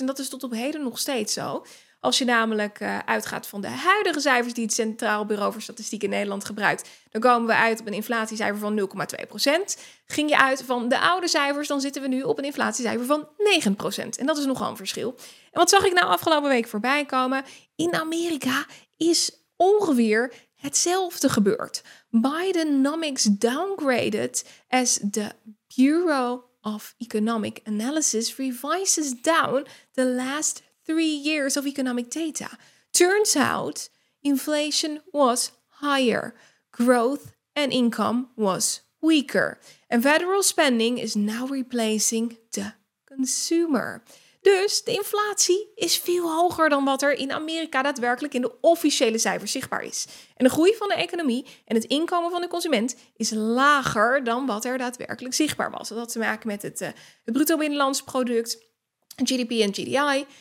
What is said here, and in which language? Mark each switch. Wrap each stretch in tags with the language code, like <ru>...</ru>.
<nl>En dat is tot op heden nog steeds zo. Als je namelijk uitgaat van de huidige cijfers die het Centraal Bureau voor Statistiek in Nederland gebruikt, dan komen we uit op een inflatiecijfer van 0,2%. Ging je uit van de oude cijfers, dan zitten we nu op een inflatiecijfer van 9%. En dat is nogal een verschil. En wat zag ik nou afgelopen week voorbij komen? In Amerika is ongeveer hetzelfde gebeurd.</nl> <en>Bidenomics downgraded as the Bureau of Economic Analysis revises down the last 3 years of economic data. Turns out inflation was higher. Growth and income was weaker. And federal spending is now replacing the consumer.</en> <nl>Dus de inflatie is veel hoger dan wat er in Amerika daadwerkelijk in de officiële cijfers zichtbaar is. En de groei van de economie en het inkomen van de consument is lager dan wat er daadwerkelijk zichtbaar was. Dat had te maken met het bruto binnenlands product, GDP en GDI.</nl>